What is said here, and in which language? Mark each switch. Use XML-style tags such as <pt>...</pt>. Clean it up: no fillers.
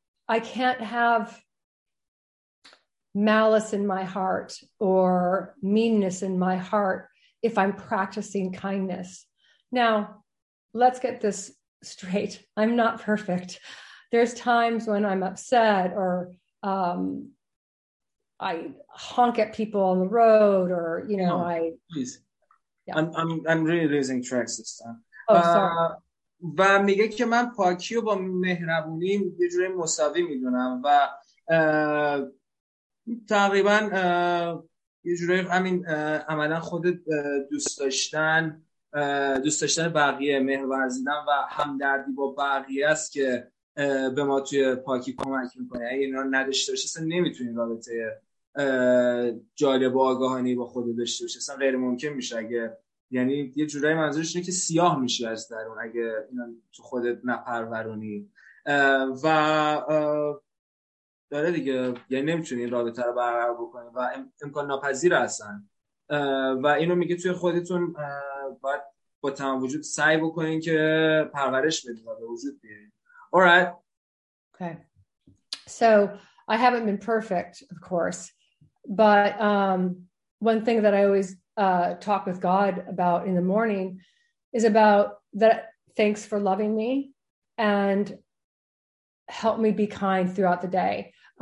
<en>I can't have malice in my heart or meanness in my heart if I'm practicing kindness. Now, let's get this straight. I'm not perfect. There's times when I'm upset or, I honk at people on the road, or you know, no, I. Please, yeah. I'm really losing track this time. Oh, sorry.</en> <fa>و میگه که من پاکی رو با مهربونی یه جوری مساوی میدونم و تقریبا یه جوری همین عملا خود دوست داشتن بقیه، مهر ورزیدن و همدردی با بقیه است که به ما توی پاکی کمک میکنه. اگه اینا رو نداشته باشی اصلا نمیتونی رابطه جالب و آگاهانه با خود داشته باشی، اصلا غیر ممکن میشه. اگه یعنی یه جورایی منظورش اینه که سیاه میشی از درون اگه تو خودت نپرورونی و داره دیگه، یعنی نمیتونی این رابطه رو برقرار بکنی و امکان ناپذیر هستن و اینو میگه توی خودتون باید با تمام وجود سعی بکنین که پرورش بدین و به وجود بیارین.</fa> <en>Alright. Okay. So I haven't been perfect, of course, but one thing that I always talk with God about in the morning is about that thanks for loving me and help me be kind throughout the day.</en>